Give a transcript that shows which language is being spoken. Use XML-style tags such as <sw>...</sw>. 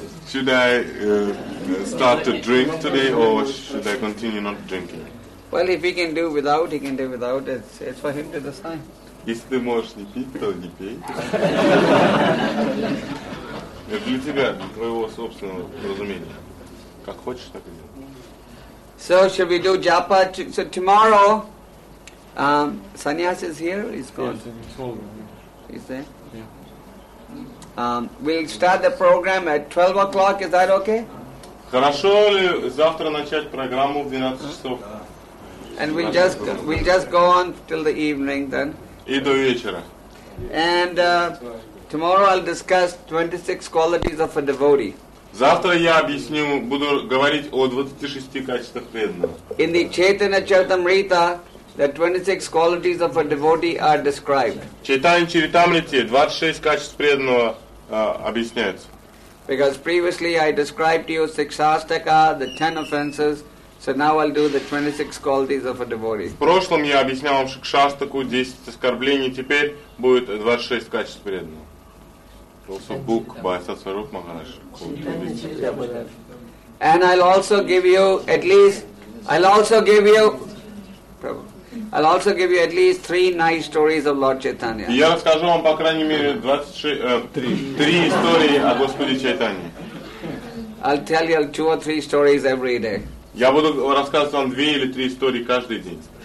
<en>Should I start to drink today or should I continue not drinking? Well, if he can do without, he can do without. It's for him to decide.</en> <ru>Если ты можешь не пить, то не пей. Это для тебя, для твоего собственного разумения. Как хочешь, так и делай.</ru> <en>So should we do japa? So tomorrow, Sannyas is here. He's gone. Yes, he's told me. He's there. Yeah. We'll start the program at 12 o'clock. Is that okay?</en> <ru>Хорошо ли завтра начать программу в 12 часов?</ru> <en>And we'll just go on till the evening then.</en> <ru>И до вечера.</ru> <en>And tomorrow I'll discuss 26 qualities of a devotee.</en> <ru>Завтра я объясню, буду говорить о 26 качествах преданного.</ru> <en>In the Chaitanya Charitamrita, the 26 qualities of a devotee are described.</en> <ru>В Чайтанья Чаритамрите 26 качеств преданного объясняются.</ru> <en>Because previously I described to you Сикшаштака, the 10 offenses, so now I'll do the 26 qualities of a devotee.</en> <ru>В прошлом я объяснял вам Сикшаштаку 10 оскорблений, теперь будет 26 качеств преданного.</ru> <en>Also book by Satsvarup Maharaj. And I'll also give you at least 3 nice stories of Lord Chaitanya.</en> <ru>Я расскажу вам по крайней мере 3 истории о Господе Чайтанье.</ru> <en>I'll tell you 2 or 3 stories every day.</en> <ru>Я буду рассказывать вам 2 или 3 истории каждый день.</ru>